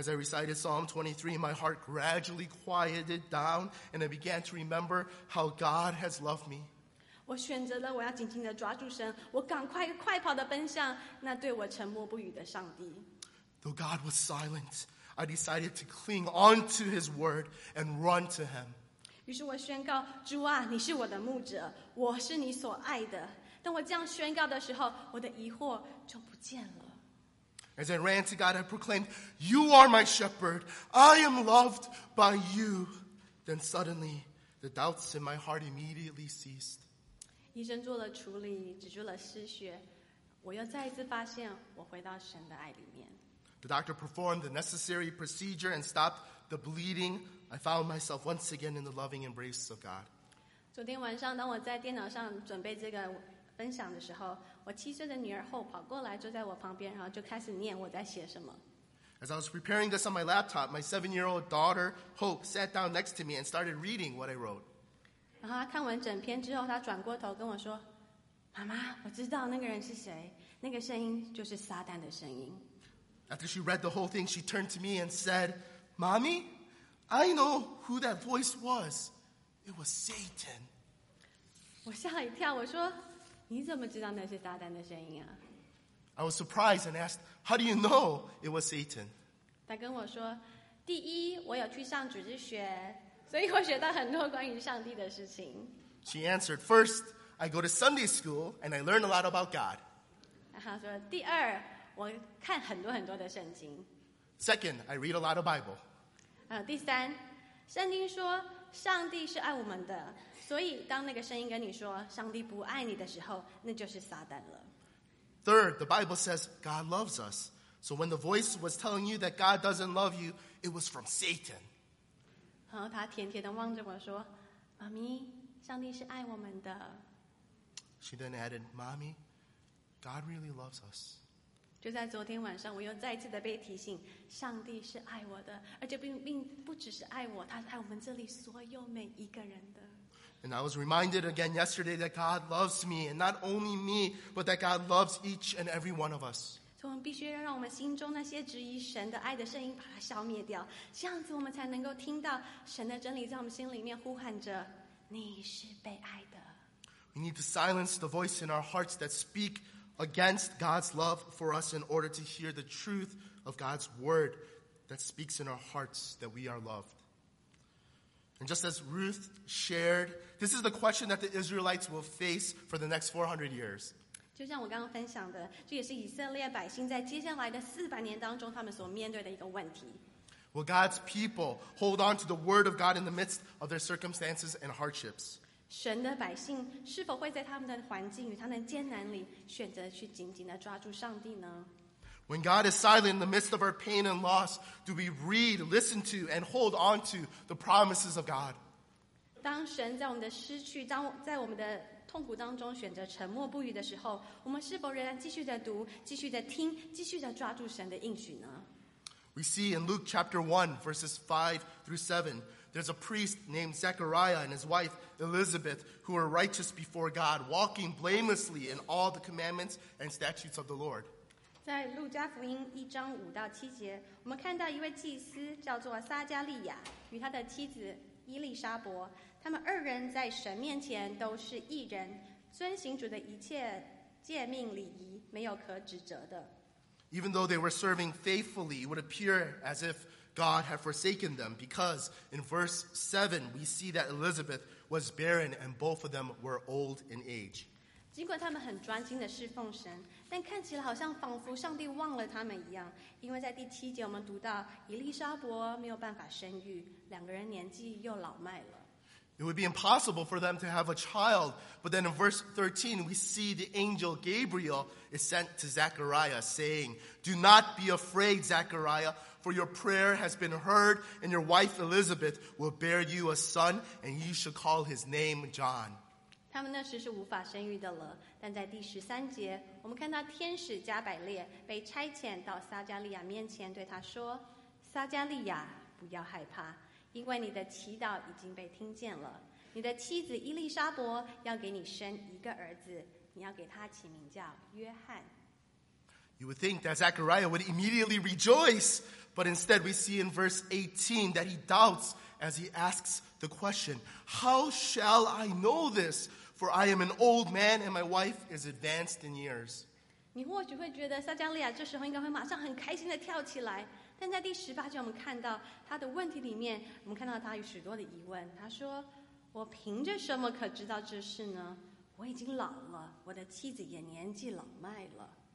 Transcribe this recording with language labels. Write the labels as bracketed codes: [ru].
[en] As I recited Psalm 23, my heart gradually quieted down, and I began to remember how God has loved me. [zh] 我选择了我要紧紧地抓住神，我赶快快跑地奔向那对我沉默不语的上帝。 [en] Though God was silent, I decided to cling onto His word and run to Him. [zh] 于是我宣告，主啊，你是我的牧者，我是你所爱的。当我这样宣告的时候，我的疑惑就不见了。 [en] As I ran to God, I proclaimed, You are my shepherd, I am loved by you. Then suddenly, the doubts in my heart immediately ceased. [zh] 医生做了处理，止住了失血，我又再一次发现，我回到神的爱里面。 [en] The doctor performed the necessary procedure and stopped the bleeding. I found myself once again in the loving embrace of God. [zh] 昨天晚上，当我在电脑上准备这个分享的时候，我七岁的女儿 Hope 跑过来，坐在我旁边，然后就开始念我在写什么。 [en] As I was preparing this on my laptop, my seven-year-old daughter Hope sat down next to me and started reading what I wrote. [zh] 然后她看完整篇之后，她转过头跟我说：“妈妈，我知道那个人是谁，那个声音就是撒旦的声音。” [en] After she read the whole thing, she turned to me and said, "Mommy,I know who that voice was. It was Satan." [zh] 我吓了一跳，我说，你怎么知道那是撒旦的声音啊？ [en] I was surprised and asked, how do you know it was Satan? [zh] 他跟我说，第一，我有去上主日学，所以我学到很多关于上帝的事情。 [en] She answered, first, I go to Sunday school and I learn a lot about God. [zh] 然后说，第二，我看很多很多的圣经。 [en] Second, I read a lot of Bible. [zh] 第三，圣经说上帝是爱我们的，所以当那个声音跟你说上帝不爱你的时候，那就是撒旦了。 [en] Third, the Bible says God loves us, So when the voice was telling you that God doesn't love you, it was from Satan. [zh] 然后他甜甜地望着我说，妈咪，上帝是爱我们的。 [en] She then added, Mommy, God really loves us. [zh] 就在昨天晚上，我又再次地被提醒，上帝是爱我的，而且并不只是爱我，他是爱我们这里所有每一个人的。 [en] And I was reminded again yesterday that God loves me, and not only me, but that God loves each and every one of us. [zh] 所以我们必须要让我们心中那些质疑神的爱的声音把它消灭掉，这样子我们才能够听到神的真理在我们心里面呼喊着，你是被爱的。 [en] We need to silence the voice in our hearts that speak against God's love for us in order to hear the truth of God's word that speaks in our hearts that we are loved. And just as Ruth shared, this is the question that the Israelites will face for the next 400 years. [zh] 就像我刚刚分享的，这也是以色列百姓在接下来的400年当中他们所面对的一个问题。 [en] Will God's people hold on to the word of God in the midst of their circumstances and hardships? [zh] 神的百姓是否会在他们的环境与他们的艰难里选择去紧紧地抓住上帝呢？ [en] When God is silent in the midst of our pain and loss, do we read, listen to, and hold on to the promises of God? [zh] 当神在我们的失去，当在我们的痛苦当中选择沉默不语的时候，我们是否仍然继续地读，继续地听，继续地抓住神的应许呢？ [en] We see in Luke chapter 1, verses 5 through 7, there's a priest named Zechariah and his wife Elizabeth who were righteous before God, walking blamelessly in all the commandments and statutes of the Lord. [zh] 在路加福音一章五到七节，我们看到一位祭司叫做撒加利亚与他的妻子伊丽莎伯，他们二人在神面前都是义人，遵行主的一切诫命礼仪，没有可指责的。 [en] Even though they were serving faithfully, it would appear as if God had forsaken them, because in verse 7, we see that Elizabeth was barren and both of them were old in age. [zh] 尽管他们很专心地侍奉神，但看起来好像仿佛上帝忘了他们一样，因为在第七节我们读到伊丽莎伯没有办法生育，两个人年纪又老迈了。 [en] It would be impossible for them to have a child. But then in verse 13, we see the angel Gabriel is sent to Zechariah saying, Do not be afraid, Zechariah, for your prayer has been heard, and your wife Elizabeth will bear you a son, and you shall call his name John. [zh] 他们那时是无法生育的了，但在第十三节，我们看到天使加百列被差遣到撒加利亚面前对他说，撒加利亚，不要害怕。因为你的祈祷已经被听见了，你的妻子伊丽莎伯要给你生一个儿子，你要给他起名叫约翰。 [en] You would think that Zechariah would immediately rejoice, but instead we see in verse 18 that he doubts as he asks the question, How shall I know this? For I am an old man and my wife is advanced in years. [zh] 你或许会觉得撒加利亚这时候应该会马上很开心地跳起来。但在第十八节我们看到他的问题里面，我们看到他有许多的疑问。他说，我凭着什么可知道这事呢？我已经老了，我的妻子也年纪老迈了。